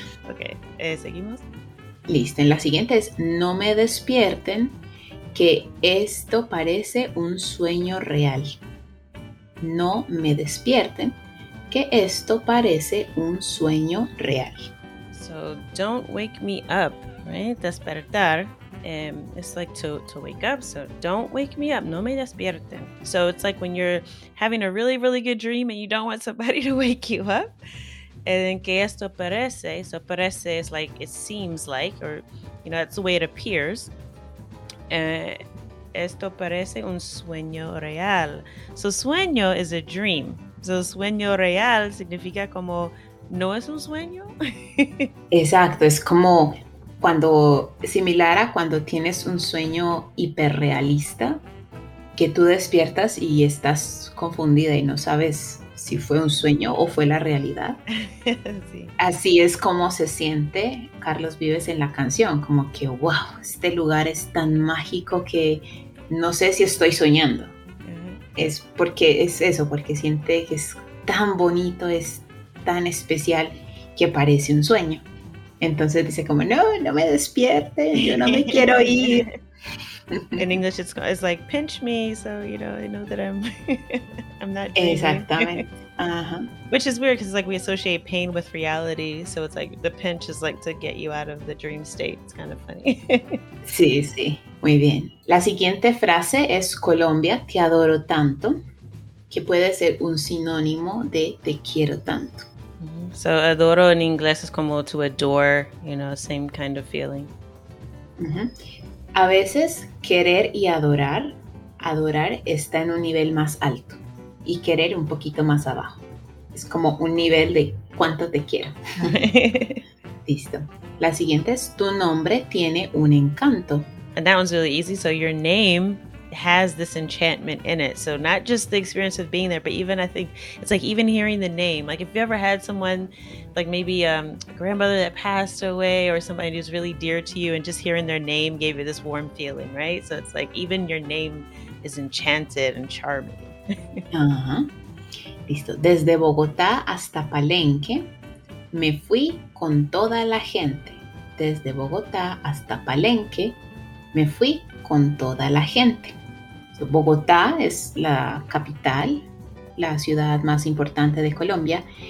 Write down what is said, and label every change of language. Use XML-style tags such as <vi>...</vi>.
<es>Ok, seguimos. Listo, en la siguiente es, no me despierten, que esto parece un sueño real. No me despierten, que esto parece un sueño real.</es> <en>So, don't wake me up, right? Despertar, it's like to wake up. So, don't wake me up,</en> <es>no me despierten.</es> <en>So, it's like when you're having a really, really good dream and you don't want somebody to wake you up. And then,</en> <es>que esto parece,</es> <en>so parece is like, it seems like, or, you know, that's the way it appears.</en> <es>Esto parece un sueño real.</es> <en>So, sueño is a dream.</en> <es>So, sueño real significa como, ¿no es un sueño? Exacto, es como cuando, similar a cuando tienes un sueño hiperrealista, que tú despiertas y estás confundida y no sabes si fue un sueño o fue la realidad. Sí. Así es como se siente Carlos Vives en la canción, como que, wow, este lugar es tan mágico que no sé si estoy soñando. Es porque es eso, porque siente que es tan bonito, es tan especial que parece un sueño. Entonces dice como, no, no me despierte, yo no me quiero ir.</es> <en>In English it's like, pinch me, so you know, I know that I'm not dreaming.</en> <es>Exactamente. Uh-huh.</es> <en>Which is weird because like we associate pain with reality, so it's like the pinch is like to get you out of the dream state. It's kind of funny.</en> <es>Sí, sí. Muy bien. La siguiente frase es, Colombia, te adoro tanto, que puede ser un sinónimo de te quiero tanto.</es> <en>So,</en> <es>adoro en inglés es como</es> <en>to adore, you know, same kind of feeling. Uh-huh.</en> <es>A veces, querer y adorar, adorar está en un nivel más alto y querer un poquito más abajo. Es como un nivel de cuánto te quiero. Exacto. La siguiente es, tu nombre tiene un encanto.</es> <en>And that one's really easy. So your name has this enchantment in it. So not just the experience of being there, but even I think it's like even hearing the name. Like if you ever had someone, like maybe a grandmother that passed away or somebody who's really dear to you, and just hearing their name gave you this warm feeling, right? So it's like even your name is enchanted and charming.</en> <es>Listo. Desde Bogotá hasta Palenque, me fui con toda la gente. Desde Bogotá hasta Palenque, me fui con toda la gente. So, Bogotá es la capital, la ciudad más importante de Colombia.</es>